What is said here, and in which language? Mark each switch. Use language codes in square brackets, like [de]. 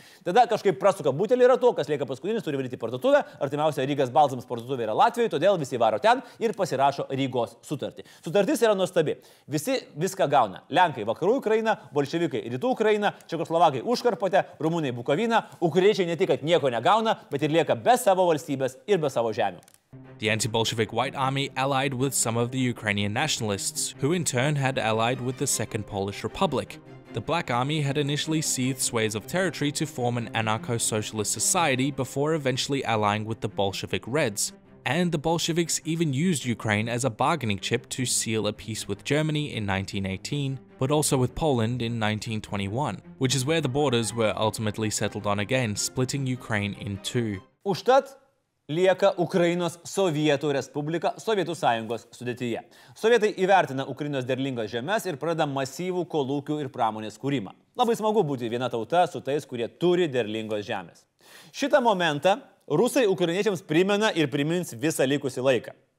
[lt] Tada kažkaip prasuka butelį yra to, kas lieka paskutinis, turi varyti į parduotuvę. Artimiausia Rygas Balzams parduotuvė yra Latvijoje, todėl visi varo ten ir pasirašo Rygos sutartį. Sutartis yra nuostabi. Visi viską gauna. Lenkai Vakarų Ukraina, bolševikai Rytų Ukraina, čekoslovakai Užkarpatė, rumunai Bukovina, ukrainiečiai ne tik kad nieko negauna, bet ir lieka be savo valstybės ir be savo žemių. [en] The anti-Bolshevik White Army allied with some of the Ukrainian nationalists, who in turn had allied with the Second Polish Republic. The Black Army had initially seized swathes of territory to form an anarcho-socialist society before eventually allying with the Bolshevik Reds. And the Bolsheviks even used Ukraine as a bargaining chip to seal a peace with Germany in 1918, but also with Poland in 1921, which is where the borders were ultimately settled on again, splitting Ukraine in two. [lt] Užtat lieka Ukrainos Sovietų Respublika Sovietų Sąjungos sudėtyje. Sovietai įvertina Ukrainos derlingas žemes ir pradeda masyvų kolūkių ir pramonės kūrimą. Labai smagu būti viena tauta su tais, kurie turi derlingos žemės. Šitą momentą rusai ukrainiečiams primena ir primins visą likusį laiką.